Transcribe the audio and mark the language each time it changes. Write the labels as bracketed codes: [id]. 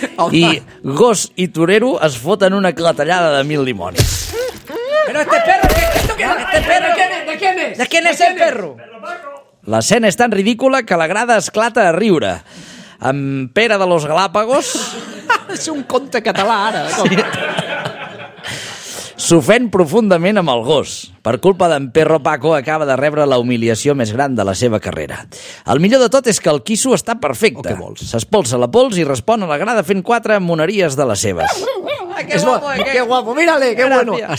[ca] I gos i torero es foten una clatellada de mil limons. [es] Però este perro, este perro, de quién es? De quién es el perro? [ca] L'escena és tan ridícula que la grada esclata a riure. En Pere de los Galápagos... És un conte català, ara. S'ofèn profundament amb el gos. Per culpa d'en Perro Paco acaba de rebre la humiliació més gran de la seva carrera. El millor de tot és que el quiso està perfecte. S'espolsa la pols i respon a la grada fent quatre moneries de les seves. [es] Que guapo, mira-le, que bueno.